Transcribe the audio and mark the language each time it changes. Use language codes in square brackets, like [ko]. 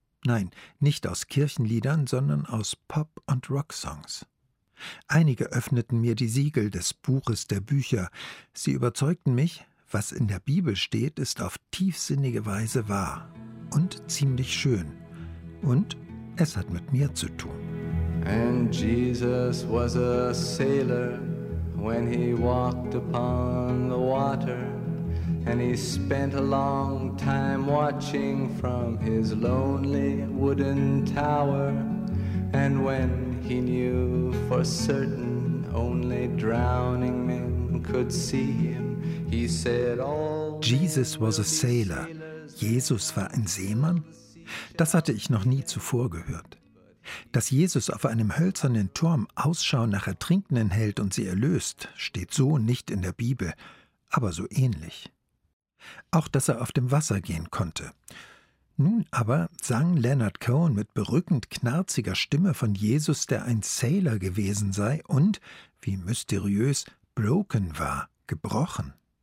[de] Nein, nicht aus Kirchenliedern, sondern aus Pop- und Rocksongs. Einige öffneten mir die Siegel des Buches der Bücher. Sie überzeugten mich, was in der Bibel steht, ist auf tiefsinnige Weise wahr und ziemlich schön. Und es hat mit mir zu tun. [en] And Jesus was a sailor when he walked upon the water. And he spent a long time watching from his lonely wooden tower. And when he knew for certain only drowning men could see him, he said, all Jesus was a sailor. [de] Jesus war ein Seemann? Das hatte ich noch nie zuvor gehört. Dass Jesus auf einem hölzernen Turm Ausschau nach Ertrinkenden hält und sie erlöst, steht so nicht in der Bibel, aber so ähnlich. Auch, dass er auf dem Wasser gehen konnte. Nun aber sang Leonard Cohen mit berückend knarziger Stimme von Jesus, der ein Sailor gewesen sei und, wie mysteriös, broken war, gebrochen.